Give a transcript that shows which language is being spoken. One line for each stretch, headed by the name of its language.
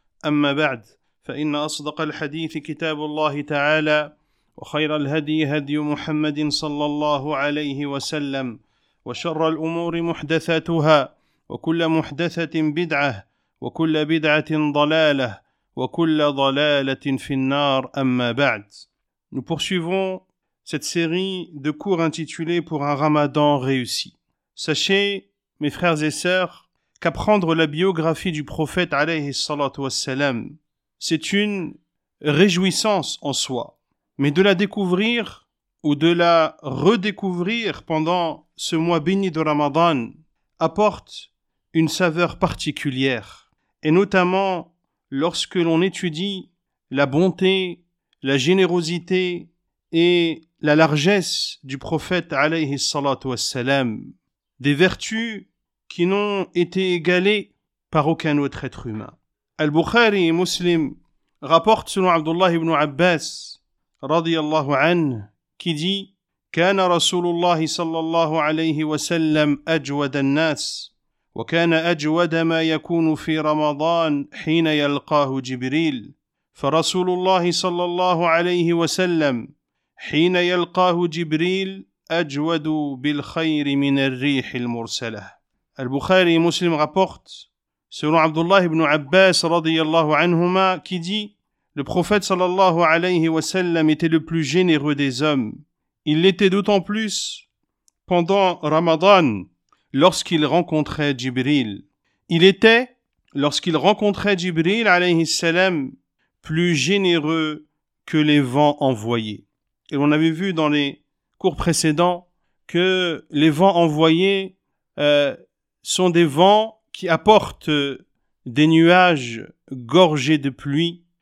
Arabic: أما بعد، فإن أصدق الحديث كتاب الله تعالى، وخير الهدي هدي محمد صلى الله عليه وسلم، وشر الأمور محدثاتها، وكل محدثة بدعة، وكل بدعة ضلالة، وكل ضلالة في النار. أما بعد.
French: Nous poursuivons cette série de cours intitulée « Pour un Ramadan réussi ». Sachez, mes frères et sœurs, qu'apprendre la biographie du prophète alayhi salatu wassalam, c'est une réjouissance en soi. Mais de la découvrir ou de la redécouvrir pendant ce mois béni de Ramadan apporte une saveur particulière, et notamment lorsque l'on étudie la bonté, la générosité et la largesse du prophète alayhi salatu wassalam, des vertus qui n'ont été égalées par aucun autre être humain. Al-Bukhari et Muslim rapportent selon Abdullah ibn Abbas
Arabic: رضي الله عنه كي دي كان رسول الله صلى الله عليه وسلم أجود الناس وكان أجود ما يكون في رمضان حين يلقاه جبريل فرسول الله صلى الله عليه وسلم حين يلقاه جبريل أجود بالخير من الريح المرسلة. البخاري مسلم رابورت سورة عبد الله بن عباس رضي الله عنهما كي دي
French: Le prophète sallallahu alayhi wa sallam était le plus généreux des hommes. Il l'était d'autant plus pendant Ramadan, lorsqu'il rencontrait Jibril. Il était, lorsqu'il rencontrait Jibril alayhi salam, plus généreux que les vents envoyés. Et on avait vu dans les cours précédents que les vents envoyés sont des vents qui apportent des nuages gorgés de pluie.